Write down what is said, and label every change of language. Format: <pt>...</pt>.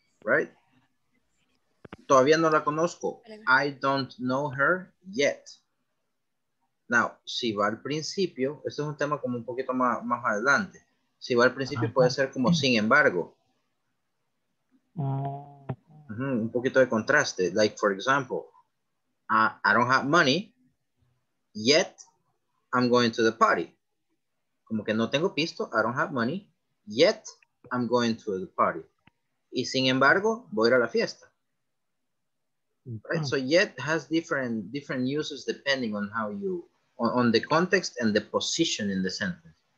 <es>Right? Todavía no la conozco.</es> <en>I don't know her yet.</en> <es>Now, si va al principio, este es un tema como un poquito más adelante. Si va al principio, uh-huh, puede ser como sin embargo. Uh-huh, un poquito de contraste.</es> <en>Like, for example, I don't have money, yet I'm going to the party.</en> <es>Como que no tengo pisto,</es> <en>I don't have money, yet I'm going to the party.</en> <es>Y sin embargo, voy a ir a la fiesta. Uh-huh.</es> <en>Right? So yet has different uses depending on how you... On the context and the position in the sentence.</en>